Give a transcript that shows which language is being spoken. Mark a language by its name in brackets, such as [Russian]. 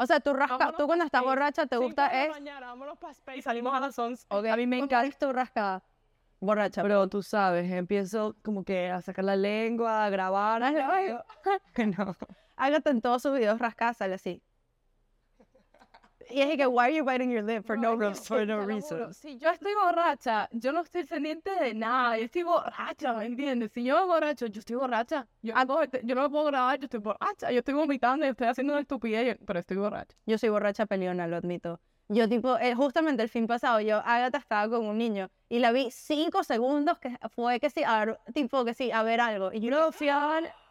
[Spanish] O sea, tú rascas, tú cuando estás borracha, te gusta es... 5 de la mañana, vámonos para Space, salimos a las 11. Okay. A mí me encanta esto, rasca borracha. Pero tú sabes, empiezo como que a sacar la lengua, a grabar. Hazlo, oye. Que no. Hágate en todos sus videos rascada, sale así. Y es que, [English] why are you biting your lip for no, no, sí, for no reason? [Spanish] Juro. Si yo estoy borracha, yo no estoy pendiente de nada. Yo estoy borracha, ¿me entiendes? Si yo me borracho, yo estoy borracha. Yo no me puedo grabar, yo estoy borracha. Yo estoy vomitando, yo estoy haciendo una estupidez, pero estoy borracha. Yo soy borracha peleona, lo admito. Yo, tipo, justamente el fin pasado, yo, Agatha estaba con un niño y la vi 5 segundos que fue que sí, a ver, tipo, que sí, a ver algo. Y yo no fui a ver.